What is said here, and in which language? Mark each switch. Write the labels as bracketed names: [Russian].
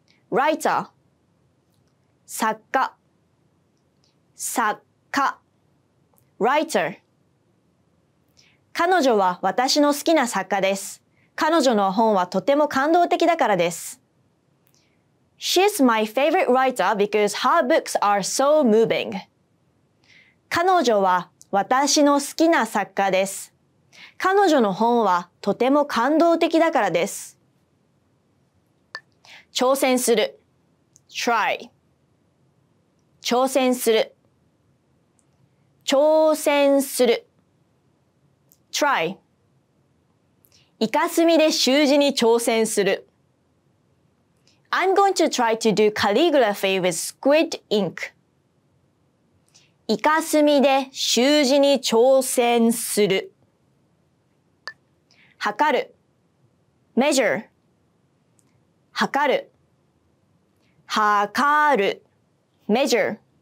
[English] Writer [Japanese] 作家作家 [English] Writer [Japanese] 彼女は私の好きな作家です。彼女の本はとても感動的だからです。 [English] She's my favorite writer because her books are so moving. [Japanese] 彼女は私の好きな作家です。彼女の本はとても感動的だからです。挑戦する。 [English] Try. [Japanese] 挑戦する。挑戦する。 [English] Try. [Japanese] イカスミで習字に挑戦する。 [English] I'm going to try to do calligraphy with squid ink. [Japanese] イカスミで習字に挑戦する。測る。 [English] measure. [Japanese] 測る。測る。 [English] measure.